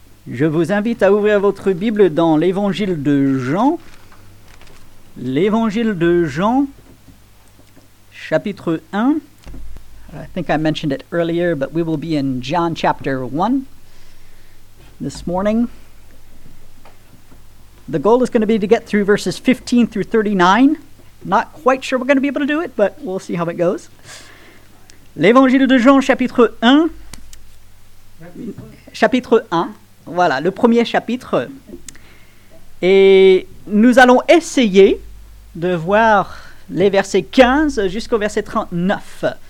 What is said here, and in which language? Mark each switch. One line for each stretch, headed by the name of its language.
French: Je vous invite à ouvrir votre Bible dans l'Évangile de Jean. L'Évangile de Jean, chapitre 1.
English: I think I mentioned it earlier, but we will be in John chapter 1 this morning. The goal is going to be to get through verses 15 through 39. Not quite sure we're going to be able to do it, but we'll see how it goes.
French: L'Évangile de Jean, chapitre 1. Chapitre 1. Voilà, le premier chapitre. Et nous allons essayer de voir les versets 15 jusqu'au verset 39.